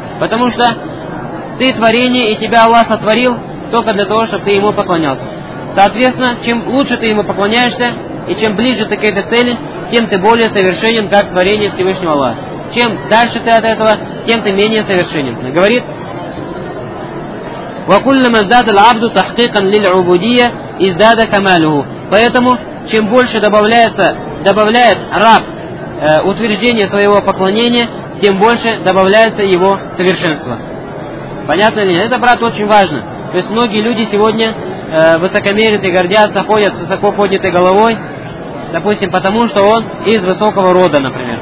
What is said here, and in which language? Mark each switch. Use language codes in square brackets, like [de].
[ru] Потому что ты творение, и тебя Аллах сотворил только для того, чтобы ты ему поклонялся. Соответственно, чем лучше ты ему поклоняешься, и чем ближе ты к этой цели, тем ты более совершенен, как творение Всевышнего Аллаха. Чем дальше ты от этого, тем ты менее совершенен. Говорит, [ar] وَكُلَّمَا زَدَ الْعَبْدُ تَحْقِيقًا لِلْعُبُدِيَ اِزْدَادَ كَمَالُهُ. [ru] Поэтому, чем больше добавляет раб утверждение своего поклонения, тем больше добавляется его совершенство. Понятно ли? Это, брат, очень важно. То есть многие люди сегодня высокомерят и гордятся, ходят с высоко поднятой головой, допустим, потому что он из высокого рода, например.